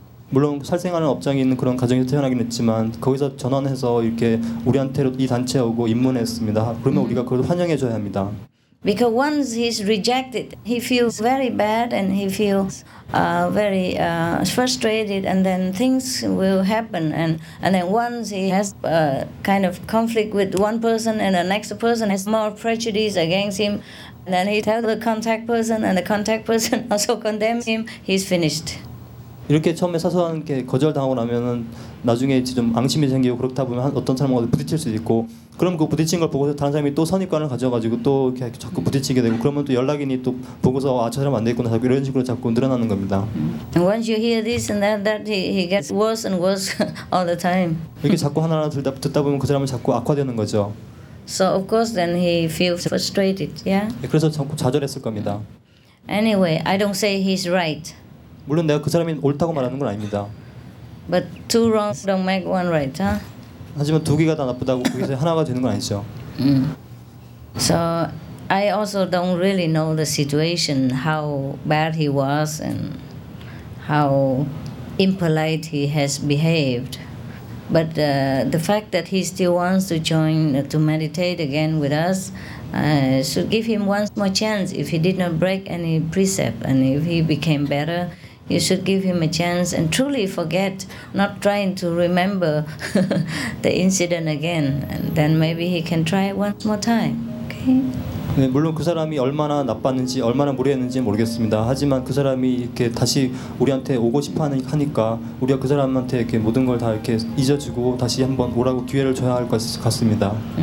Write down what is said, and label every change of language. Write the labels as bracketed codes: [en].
[ko] 물론 살생하는 업장이 있는 그런 가정에서 태어나긴 했지만 거기서 전환해서 이렇게 우리한테로 이 단체에 오고 입문했습니다. 그러면 우리가 그걸 환영해 줘야 합니다. [en] Because once he's rejected, he feels very bad and he feels very frustrated and then things will happen. And then once he has a kind of conflict with one person and the next person has more prejudice against him, and then he tells the contact person and the contact person also condemns him, he's finished. [ko] 이렇게 처음에 사소한 게 거절당하고 나면은 나중에 좀 앙심이 생기고 그렇다 보면 어떤 사람과 부딪힐 수도 있고 그럼 그 부딪힌 걸 보고서 다른 사람이 또 선입관을 가져가지고 또 이렇게 자꾸 부딪히게 되고 그러면 또 연락인이 또 보고서 아 저 사람 안 되겠구나 자꾸 이런 식으로 자꾸 늘어나는 겁니다. [en] And once you hear this and that, he gets worse and worse all the time. [ko] 이렇게 자꾸 하나하나 듣다 보면 그 사람은 자꾸 악화되는 거죠. [en] So of course then he feels frustrated, yeah? [ko] 그래서 자꾸 좌절했을 겁니다. [en] Anyway, I don't say he's right. [ko] 물론 내가 그 사람이 옳다고 말하는 건 아닙니다. [en] But two wrongs don't make one right, huh? [ko] 하지만 두 개가 다 나쁘다고 거기서 하나가 되는 건 아니죠. [en] So I also don't really know the situation, how bad he was and how impolite he has behaved. But the fact that he still wants to join to meditate again with us should give him one more chance if he did not break any precept and if he became better. You should give him a chance and truly forget, not trying to remember the incident again. And then maybe he can try one more time. Okay? [ko] 네, 물론 그 사람이 얼마나 나빴는지 얼마나 무례했는지 모르겠습니다. 하지만 그 사람이 이렇게 다시 우리한테 오고 싶어하니까 우리가 그 사람한테 이렇게 모든 걸 다 이렇게 잊어주고 다시 한번 오라고 기회를 줘야 할 것 같습니다.